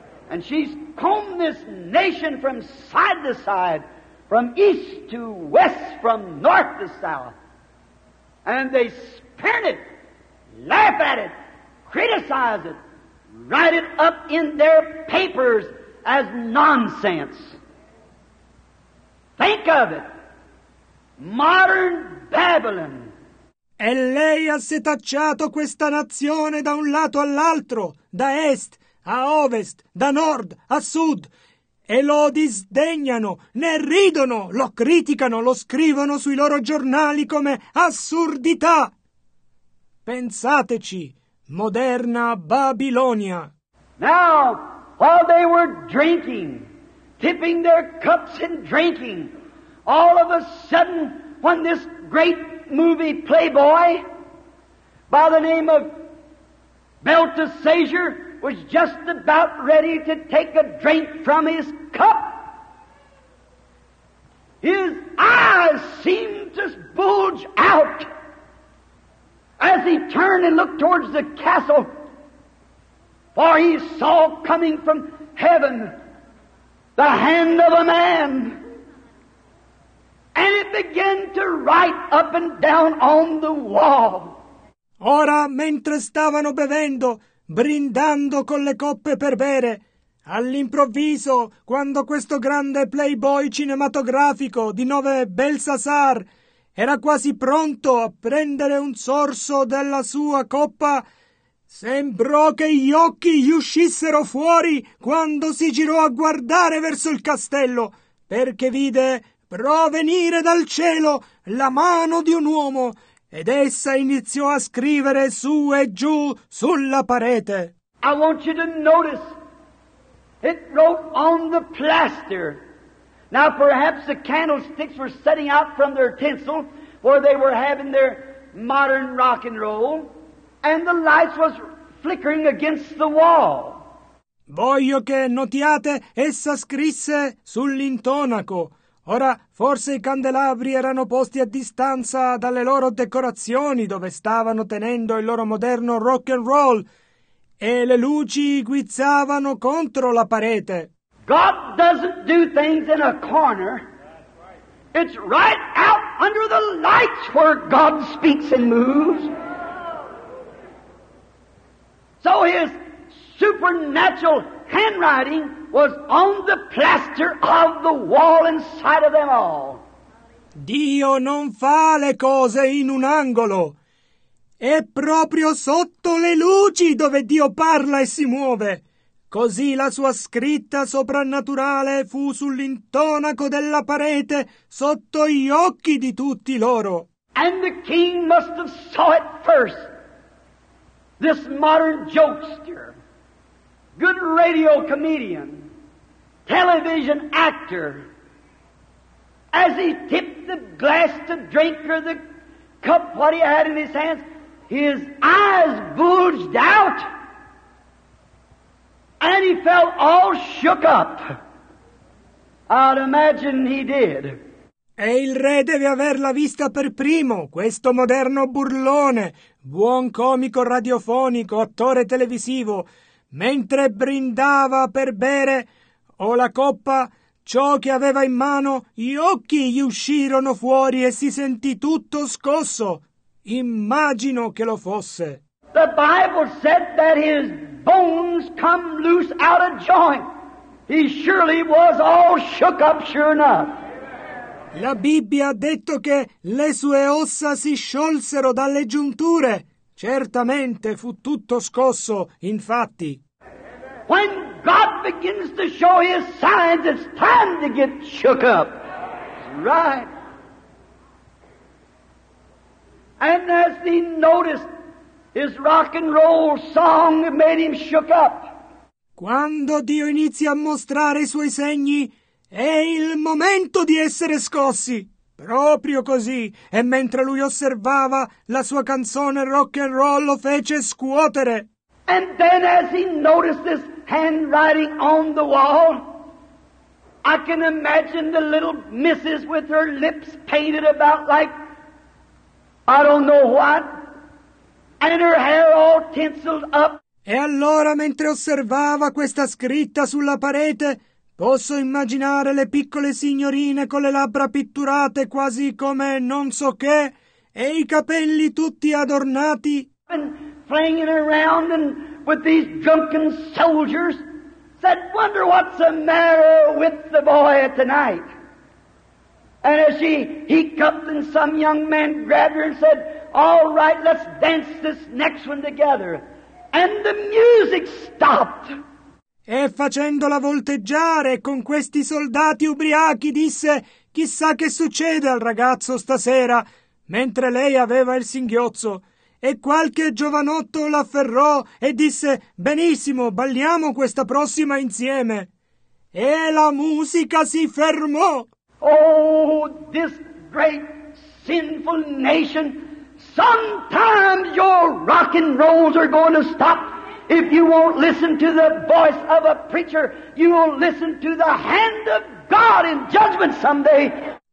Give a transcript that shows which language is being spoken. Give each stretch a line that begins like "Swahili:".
English: And she's combed this nation from side to side, from east to west, from north to south. And they spurn it, laugh at it, criticize it, write it up in their papers as nonsense. Think of it. Modern Babylon.
Italian: E lei ha setacciato questa nazione da un lato all'altro, da est a ovest, da nord a sud, e lo disdegnano, ne ridono, lo criticano, lo scrivono sui loro giornali come assurdità. Pensateci, moderna Babilonia.
English: Now, while they were drinking, tipping their cups and drinking, all of a sudden, when this great movie playboy by the name of Belteshazzar was just about ready to take a drink from his cup, his eyes seemed to bulge out as he turned and looked towards the castle, for he saw coming from heaven the hand of a man, and it began to write up and down on the wall.
Italian: Ora, mentre stavano bevendo, brindando con le coppe per bere, all'improvviso, quando questo grande playboy cinematografico di nome Belsasar era quasi pronto a prendere un sorso della sua coppa, sembrò che gli occhi gli uscissero fuori quando si girò a guardare verso il castello, perché vide provenire dal cielo la mano di un uomo, ed essa iniziò a scrivere su e giù sulla parete.
English: I want you to notice, it wrote on the plaster. Now perhaps the candlesticks were setting out from their tinsel, where they were having their modern rock and roll, and the lights was flickering against the wall.
Italian: Voglio che notiate, essa scrisse sull'intonaco. Ora, forse i candelabri erano posti a distanza dalle loro decorazioni dove stavano tenendo il loro moderno rock and roll, e le luci guizzavano contro la parete.
English: God doesn't do things in a corner. It's right out under the lights where God speaks and moves. So his supernatural handwriting was on the plaster of the wall inside of them all.
Italian: Dio non fa le cose in un angolo. È proprio sotto le luci dove Dio parla e si muove. Così la sua scritta soprannaturale fu sull'intonaco della parete, sotto gli occhi di tutti loro.
English: And the king must have saw it first. This modern jokester, good radio comedian, television actor, as he tipped the glass to drink or the cup what he had in his hands, his eyes bulged out and he felt all shook up. I'd imagine he did.
Italian: E il re deve averla vista per primo, questo moderno burlone, buon comico radiofonico, attore televisivo, mentre brindava per bere, o la coppa, ciò che aveva in mano, gli occhi gli uscirono fuori e si sentì tutto scosso. Immagino che lo fosse.
English: The Bible said that his bones come loose out of joint. He surely was all shook up, sure enough.
Italian: La Bibbia ha detto che le sue ossa si sciolsero dalle giunture. Certamente fu tutto scosso, infatti.
English: When God begins to show His signs, it's time to get shook up. Right. And as he noticed, his rock and roll song made him shook up.
Italian: Quando Dio inizia a mostrare i suoi segni, è il momento di essere scossi. Proprio così, e mentre lui osservava, la sua canzone rock and roll lo fece scuotere.
English: And then as he noticed this handwriting on the wall, I can imagine the little missus with her lips painted about like I don't know what, and her hair all tinseled up.
Italian: E allora, mentre osservava questa scritta sulla parete, posso immaginare le piccole signorine con le labbra pitturate quasi come non so che, e i capelli tutti adornati.
English: And flinging around and with these drunken soldiers. Said, wonder what's the matter with the boy tonight? And as she hiccuped and some young man grabbed her and said, all right, let's dance this next one together. And the music stopped.
Italian: E facendola volteggiare con questi soldati ubriachi disse, chissà che succede al ragazzo stasera, mentre lei aveva il singhiozzo. E qualche giovanotto l'afferrò e disse, benissimo, balliamo questa prossima insieme. E la musica si fermò.
English: Oh, this great sinful nation, sometimes your rock and rolls are going to stop. If you won't listen to the voice of a preacher, you will listen to the hand of God in judgment someday.